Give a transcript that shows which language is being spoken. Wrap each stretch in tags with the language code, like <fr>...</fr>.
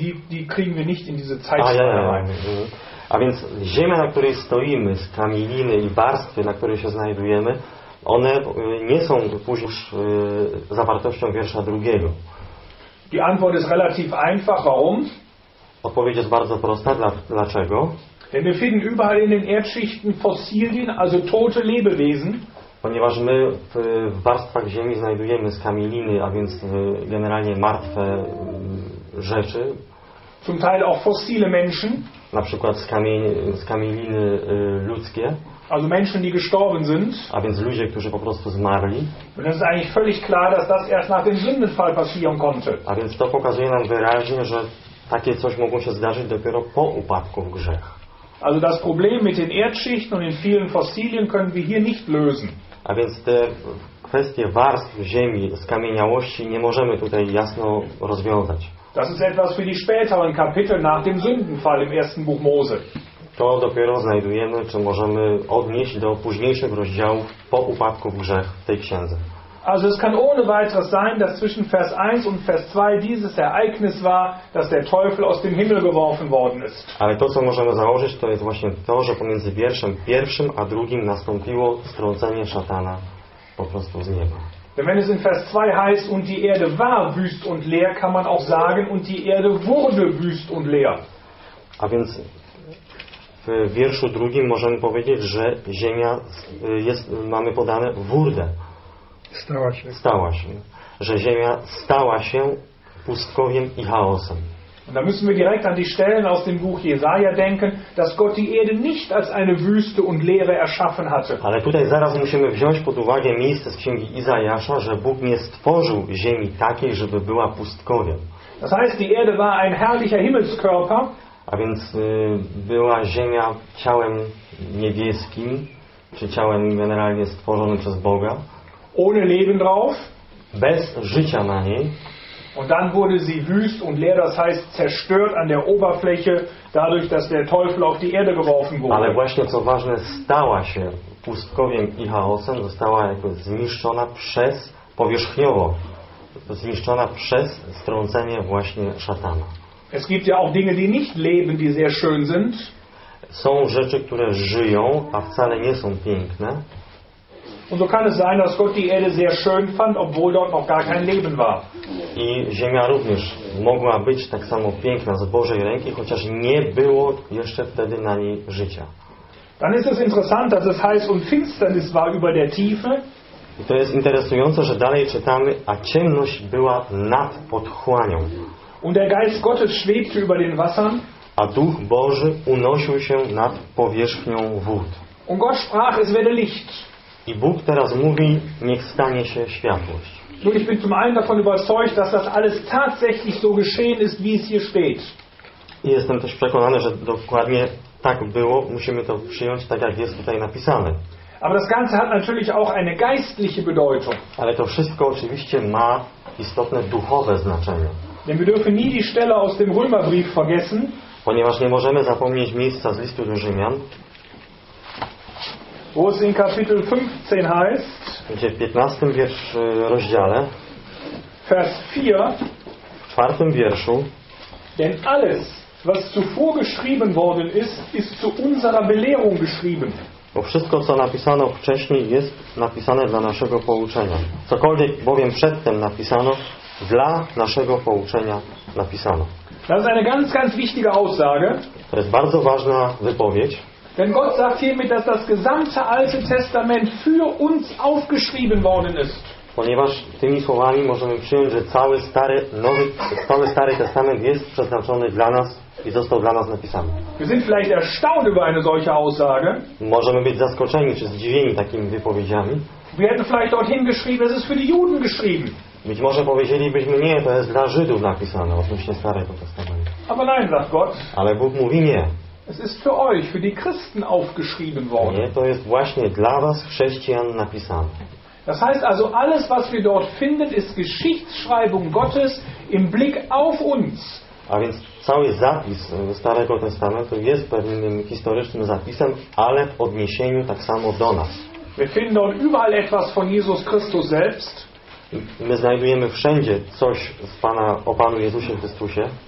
<de>Die kriegen wir nicht in diese Zeitspanne rein.</de> <pl>A więc ziemia, na której stoimy, skamieliny i warstwy, na której się znajdujemy, one nie są później zawartością wiersza drugiego.</pl> <de>Die Antwort ist relativ einfach. Warum?</de> <pl>Odpowiedź jest bardzo prosta. Dlaczego?</pl> <de>Denn wir finden überall in den Erdschichten Fossilien, also tote Lebewesen.</de> <pl>Ponieważ my w warstwach ziemi znajdujemy skamieliny, a więc generalnie martwe rzeczy.</pl> <de>Zum Teil auch fossile Menschen.</de> <pl>Na przykład skamieliny ludzkie.</pl> <de>Also Menschen, die gestorben sind.</de> <pl>A więc ludzie, którzy po prostu zmarli.</pl> <de>Und das ist eigentlich völlig klar, dass das erst nach dem Sündenfall passieren konnte.</de> <pl>A więc to pokazuje nam wyraźnie, że takie coś mogło się zdarzyć dopiero po upadku w grzech.</pl> <de>Also das Problem mit den Erdschichten und den vielen Fossilien können wir hier nicht lösen.</de> <pl>A więc te kwestie warstw ziemi, skamieniałości nie możemy tutaj jasno rozwiązać.</pl> <de>Das ist etwas für die späteren Kapitel nach dem Sündenfall im ersten Buch Mose.</de> <pl>To dopiero znajdujemy, czy możemy odnieść do późniejszych rozdziałów po upadku w grzech w tej księdze.</pl> <de>Also es kann ohne weiteres sein, dass zwischen Vers 1 und Vers 2 dieses Ereignis war, dass der Teufel aus dem Himmel geworfen worden ist.</de> <pl>Ale to, co możemy założyć, to jest właśnie to, że pomiędzy wierszem pierwszym a drugim nastąpiło strącenie szatana po prostu z nieba.</pl> <de>Denn wenn es in Vers 2 heißt, und die Erde war wüst und leer, kann man auch sagen, und die Erde wurde wüst und leer.</de> <pl>A więc w wierszu drugim możemy powiedzieć, że ziemia jest, mamy podane wurde. Stała się. Że ziemia stała się pustkowiem i chaosem.</pl> <de>Und da müssen wir direkt an die Stellen aus dem Buch Jesaja denken, dass Gott die Erde nicht als eine Wüste und Leere erschaffen hatte.</de> <pl>Ale tutaj zaraz musimy wziąć pod uwagę miejsce z Księgi Izajasza, że Bóg nie stworzył ziemi takiej, żeby była pustkowiem.</pl> <de>Das heißt, die Erde war ein herrlicher Himmelskörper.</de> <pl>A więc była ziemia ciałem niebieskim, czy ciałem generalnie stworzonym przez Boga.</pl> <de>Ohne Leben drauf.</de> <pl>Bez życia na niej.</pl> <de>Und dann wurde sie wüst und leer, das heißt zerstört an der Oberfläche, dadurch, dass der Teufel auf die Erde geworfen wurde.</de> <pl>Ale właśnie co ważne, stała się pustkowiem i chaosem, została jakby zniszczona przez, powierzchniowo, zniszczona przez strącenie właśnie szatana.</pl> <de>Es gibt ja auch Dinge, die nicht leben, die sehr schön sind.</de> <pl>Są rzeczy, które żyją, a wcale nie są piękne.</pl> <de>Und so kann es sein, dass Gott die Erde sehr schön fand, obwohl dort noch gar kein Leben war.</de> <pl>I ziemia również mogła być tak samo piękna z Bożej ręki, chociaż nie było jeszcze wtedy na niej życia.</pl> <de>Dann ist es interessant, dass es heißt, und Finsternis war über der Tiefe.</de> <pl>I to jest interesujące, że dalej czytamy, a ciemność była nad otchłanią.</pl> <de>Und der Geist Gottes schwebte über den Wassern.</de> <pl>A Duch Boży unosił się nad powierzchnią wód.</pl> <de>Und Gott sprach, es werde Licht.</de> <pl>I Bóg teraz mówi, niech stanie się światłość.</pl> <de>Nun, ich bin zum einen davon überzeugt, dass das alles tatsächlich so geschehen ist, wie es hier steht.</de> <pl>I jestem też przekonany, że dokładnie tak było. Musimy to przyjąć tak, jak jest tutaj napisane.</pl> <de>Aber das Ganze hat natürlich auch eine geistliche Bedeutung.</de> <pl>Ale to wszystko oczywiście ma istotne duchowe znaczenie.</pl> <de>Denn wir dürfen nie die Stelle aus dem Römerbrief vergessen.</de> <pl>Ponieważ nie możemy zapomnieć miejsca z listu do Rzymian.</pl> <de>Wo es in Kapitel 15 heißt,</de> <pl>gdzie w 15 rozdziale,</pl> <de>Vers 4,</de> <pl>w 4 wierszu,</pl> <de>denn alles, was zuvor geschrieben worden ist, ist zu unserer Belehrung geschrieben.</de> <pl>Bo wszystko, co napisano wcześniej, jest napisane dla naszego pouczenia. Cokolwiek bowiem przedtem napisano, dla naszego pouczenia napisano.</pl> <de>Das ist eine ganz, ganz wichtige Aussage.</de> <pl>To jest bardzo ważna wypowiedź.</pl> <de>Denn Gott sagt hiermit, dass das gesamte Alte Testament für uns aufgeschrieben worden ist.</de> <pl>Ponieważ tymi słowami możemy przyjąć, że cały Stary Testament jest przeznaczony dla nas i został dla nas napisany.</pl> <de>Wir sind vielleicht erstaunt über eine solche Aussage.</de> <pl>Możemy być zaskoczeni czy zdziwieni takimi wypowiedziami.</pl> <de>Wir hätten vielleicht dorthin geschrieben, es ist für die Juden geschrieben.</de> <pl>Być może powiedzielibyśmy, nie, to jest dla Żydów napisane odnośnie Starego Testamentu.</pl> <de>Aber nein, sagt Gott.</de> <pl>Ale Bóg mówi nie.</pl> <de>Es ist für euch, für die Christen aufgeschrieben worden.</de> <pl>Nie, to jest właśnie dla was chrześcijan napisane.</pl> <de>Das heißt also, alles, was wir dort finden, ist Geschichtsschreibung Gottes im Blick auf uns.</de> <pl>A więc cały zapis Starego Testamentu jest pewnym historycznym zapisem, ale w odniesieniu tak samo do nas.</pl> <de>Wir finden dort überall etwas von Jesus Christus selbst.</de> <pl>My znajdujemy wszędzie coś z Pana, o Panu Jezusie Chrystusie.</pl>